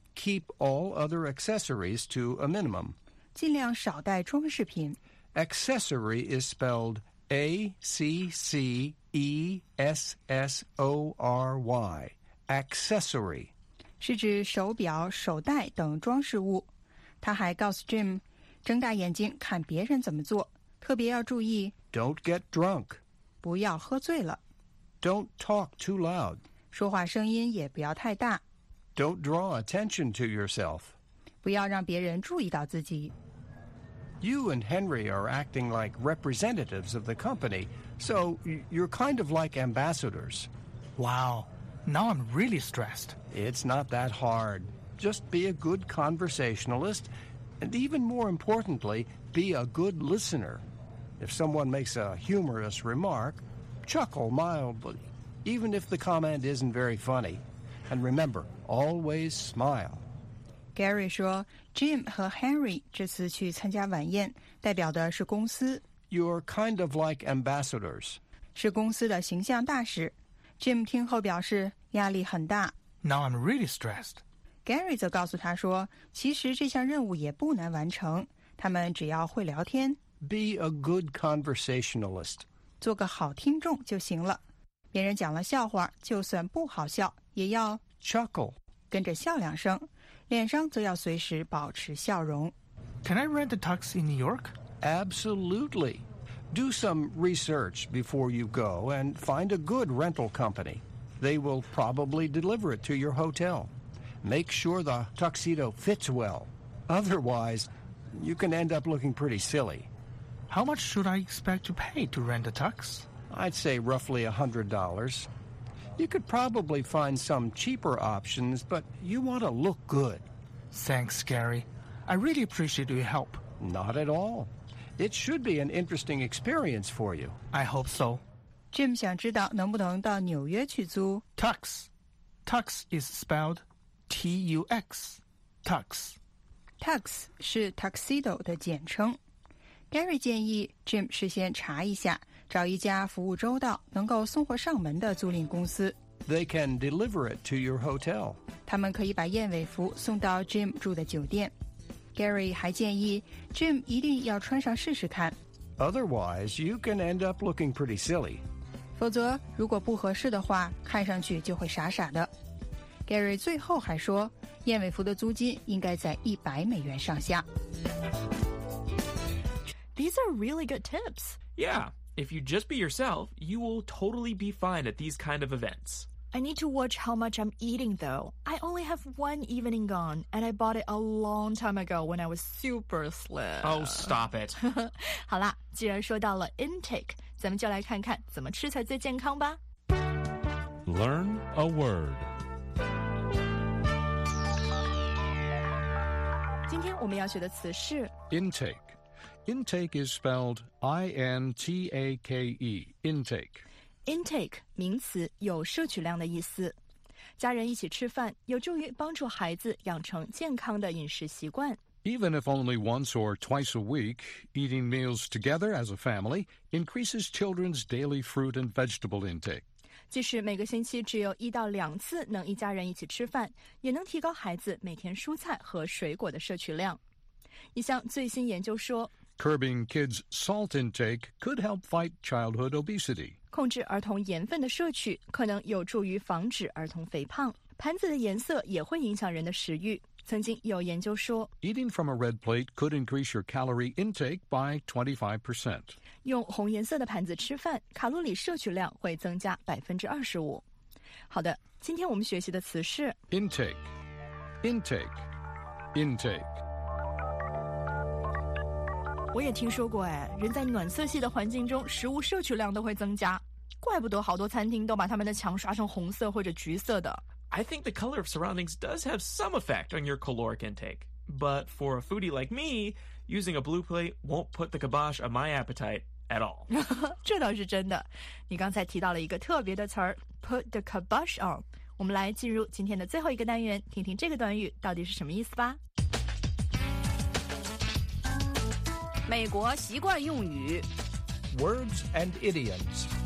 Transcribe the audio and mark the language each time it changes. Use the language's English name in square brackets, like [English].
[English] keep all other accessories to a minimum. [Chinese] 尽量少带装饰品。 [English] Accessory is spelled A-C-C-E-S-S-O-R-Y, accessory. [Chinese] 是指手表、手袋等装饰物。他还告诉 Jim, 睁大眼睛看别人怎么做。特别要注意 [English] Don't get drunk. [Chinese] 不要喝醉了。 [English] Don't talk too loud. [Chinese] 说话声音也不要太大。 [English] Don't Don't draw attention to yourself. [Chinese] 不要让别人注意到自己。 [English] You and Henry are acting like representatives of the company, so you're kind of like ambassadors. Wow, now I'm really stressed. It's not that hard. Just be a good conversationalist, and even more importantly, be a good listener. If someone makes a humorous remark, chuckle mildly, even if the comment isn't very funny. And remember, always smile. [Chinese] Gary 说 ,Jim 和 Henry 这次去参加晚宴代表的是公司。 [English] You're kind of like ambassadors. [Chinese] 是公司的形象大使。 Jim 听后表示压力很大。 [English] Now I'm really stressed. [Chinese] Gary 则告诉他说其实这项任务也不难完成他们只要会聊天。 [English] Be a good conversationalist. [Chinese] 做个好听众就行了。别人讲了笑话就算不好笑也要 [English] chuckle, [Chinese] 跟着笑两声。脸上则要随时保持笑容。 [English] Can I rent a tux in New York? Absolutely. Do some research before you go and find a good rental company. They will probably deliver it to your hotel. Make sure the tuxedo fits well. Otherwise, you can end up looking pretty silly. How much should I expect to pay to rent a tux? I'd say roughly $100. You could probably find some cheaper options, but you want to look good. Thanks, Gary. I really appreciate your help. Not at all. It should be an interesting experience for you. I hope so. [Chinese] Jim 想知道能不能到纽约去租 [English] Tux. Tux is spelled T-U-X. Tux. [Chinese] Tux 是 tuxedo 的简称。 Gary 建议 Jim 事先查一下找一家服务周到能够送货上门的租赁公司。 [English] They can deliver it to your hotel. [Chinese] 他们可以把燕尾服送到 Jim 住的酒店。Gary 还建议 Jim 一定要穿上试试看。 [English] Otherwise, you can end up looking pretty silly. [Chinese] 否则如果不合适的话看上去就会傻傻的。 Gary 最后还说燕尾服的租金应该在$100上下。 [English] These are really good tips. Yeah, if you just be yourself, you will totally be fine at these kind of events. I need to watch how much I'm eating, though. I only have one evening gone, and I bought it a long time ago when I was super slim. Oh, stop it. [Chinese] 好啦，既然说到了 intake, 咱们就来看看怎么吃才最健康吧。 [English] Learn a word. [Chinese] 今天我们要学的词是 [English] intake. Intake is spelled I-N-T-A-K-E, intake. [Chinese] Intake, 名词有摄取量的意思。家人一起吃饭有助于帮助孩子养成健康的饮食习惯。 [English] Even if only once or twice a week, eating meals together as a family increases children's daily fruit and vegetable intake. [Chinese] 即使每个星期只有一到两次能一家人一起吃饭，也能提高孩子每天蔬菜和水果的摄取量。一项最新研究说 [English] Curbing kids' salt intake could help fight childhood obesity. [Chinese] 控制儿童盐分的摄取可能有助于防止儿童肥胖。盘子的颜色也会影响人的食欲。曾经有研究说 [English] Eating from a red plate could increase your calorie intake by 25%. [Chinese] 用红颜色的盘子吃饭，卡路里摄取量会增加25%。好的，今天我们学习的词是 [English] Intake, intake, intake. [Chinese] 我也听说过哎，人在暖色系的环境中，食物摄取量都会增加，怪不得好多餐厅都把他们的墙刷成红色或者橘色的。 [English] I think the color of surroundings does have some effect on your caloric intake, but for a foodie like me, using a blue plate won't put the kibosh on my appetite at all. [Chinese] 这倒是真的。你刚才提到了一个特别的词儿 ， [English] put the kibosh on。 [Chinese] 我们来进入今天的最后一个单元，听听这个短语到底是什么意思吧。美国习惯用语 [English] Words and idioms